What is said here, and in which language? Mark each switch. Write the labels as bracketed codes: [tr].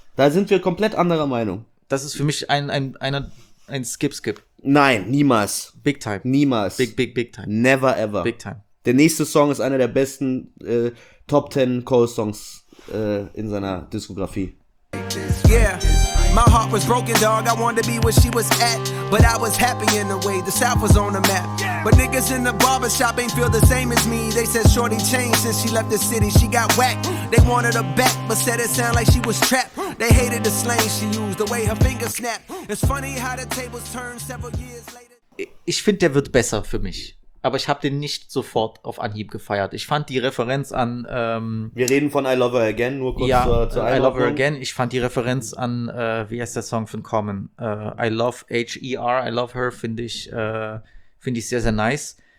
[de] Da sind wir komplett anderer Meinung. Das ist für mich ein Skip. Nein, niemals. [en] Big time. [de] Niemals. [en] Big time. Never ever. Big time. [de] Der nächste Song ist einer der besten Top 10 Cole-Songs in seiner Diskografie. [en] Yeah, my heart was broken, dog. I wanted to be where she was at. But I was happy in the way the South was on the map. But niggas in the barbershop ain't feel the same as me. They said shorty changed since she left the city. She got whacked. They wanted her back, but said it sound like she was trapped. They hated the slang she used, the way her fingers snapped. It's funny how the tables turned several years later. [de] Ich finde, der wird besser für mich. Aber ich habe den nicht sofort auf Anhieb gefeiert. Ich fand die Referenz an Wir reden von I Love Her Again, nur kurz ja, zur I Love Her Again. Ich fand die Referenz an wie heißt der Song von Common? I Love H-E-R, I Love Her, finde ich sehr, sehr nice.